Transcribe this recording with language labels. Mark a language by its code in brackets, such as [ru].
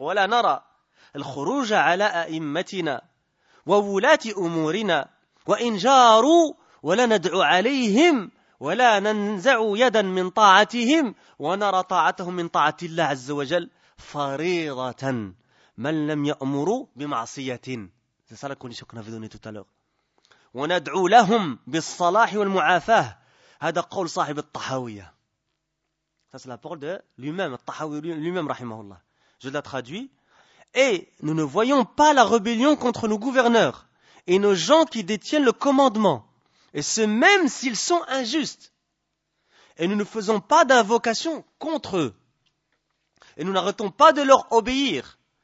[ar] وَلَا نَرَا الْخُرُوجَ عَلَىٰ أَئِمَّتِنَا وَوُلَاتِ أُمُورِنَا وَإِنْ جَارُوا وَلَا نَدْعُ عَلَيْهِمْ وَلَا نَنْزَعُ يَدًا مِنْ طَاعَتِهِمْ وَنَرَى طَاعَتَهُمْ مِنْ طَاعَتِ اللَّهِ عَزَّ وَجَلْ فريضة من لم يأمر بمعصية. [fr] C'est ça la condition qu'on avait donnée tout à l'heure. [ar] وندعو لهم بالصلاح والمعافاة. هذا قول صاحب الطحاوية. [fr] Ça c'est la parole de lui-même, الطحاوي lui-même, [ar] رحمه الله. [fr] Je la traduis. Et nous ne voyons pas la rébellion contre nos gouverneurs et nos gens qui détiennent le commandement, et ce même s'ils sont injustes. Et nous ne faisons pas d'invocation contre eux. Et nous n'arrêtons pas de leur obéir.